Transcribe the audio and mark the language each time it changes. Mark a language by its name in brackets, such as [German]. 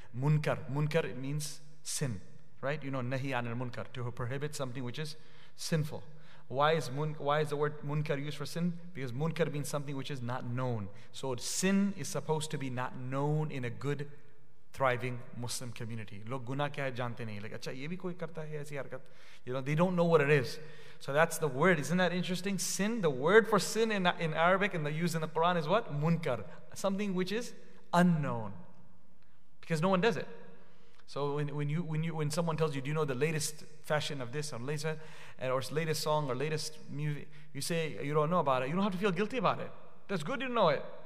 [English] Munkar it means sin, right? You know, [Arabic] nahi anil munkar, [English] to prohibit something which is sinful. Why is the word munkar used for sin? Because munkar means something which is not known. So sin is supposed to be not known in a good, thriving Muslim community. [Urdu] لوگ گناہ کیا ہے جانتے نہیں. Like, اچھا یہ بھی کوئی کرتا ہے ایسی حرکت? [English] You know, they don't know what it is. So that's the word. Isn't that interesting? Sin, the word for sin in Arabic and the use in the Quran is what? Munkar. Something which is unknown. Because no one does it. So when someone tells you, do you know the latest fashion of this or latest, or latest song or latest music, you say you don't know about it, you don't have to feel guilty about it. That's good you know it.